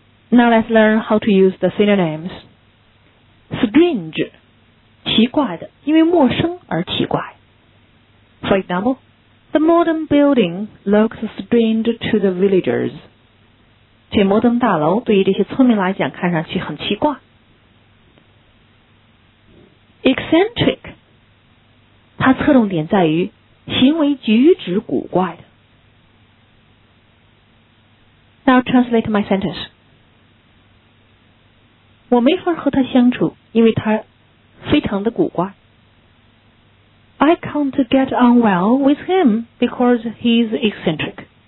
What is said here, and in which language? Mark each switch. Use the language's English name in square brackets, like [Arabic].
[English] Now let's learn how to use the synonyms. [Chinese] Strange, 奇怪的，因为陌生而奇怪。 [English] For example, the modern building looks strange to the villagers. [Chinese] 这摩登大楼对于这些村民来讲看上去很奇怪。 Eccentric, 它侧重点在于行为举止古怪的。 [English] Now translate my sentence. [Chinese] 我没法和他相处，因为他非常的古怪。 [English] I can't get on well with him because he's eccentric.